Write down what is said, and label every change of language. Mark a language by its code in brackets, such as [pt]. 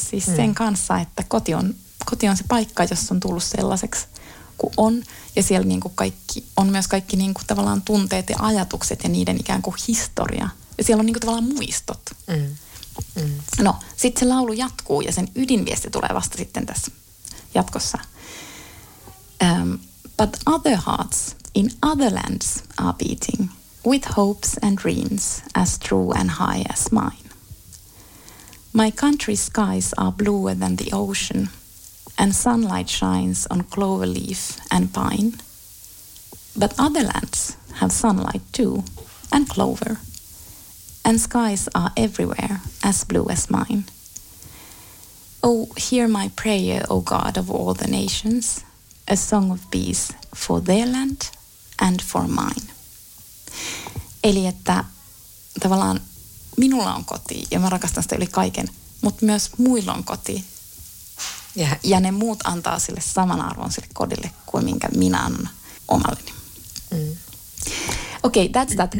[fi] Siis sen kanssa, että koti on se paikka, jossa on tullut sellaiseksi kuin on. Ja siellä niin kuin kaikki, on myös kaikki niin kuin tavallaan tunteet ja ajatukset ja niiden ikään kuin historia. Ja siellä on niin kuin tavallaan muistot. Mm. Mm. No, sitten se laulu jatkuu ja sen ydinviesti tulee vasta sitten tässä jatkossa. [en] But other hearts in other lands are beating with hopes and dreams as true and high as mine. My country's skies are bluer than the ocean. And sunlight shines on clover leaf and pine. But other lands have sunlight too, and clover. And skies are everywhere as blue as mine. Oh, hear my prayer, O God of all the nations, a song of peace for their land and for mine. [fi] Eli että tavallaan minulla on koti ja mä rakastan sitä yli kaiken, mutta myös muilla on koti. Ja ne muut antaa sille saman arvon sille kodille kuin minkä minä annan omalleni. Mm. [en] Okay, that's that.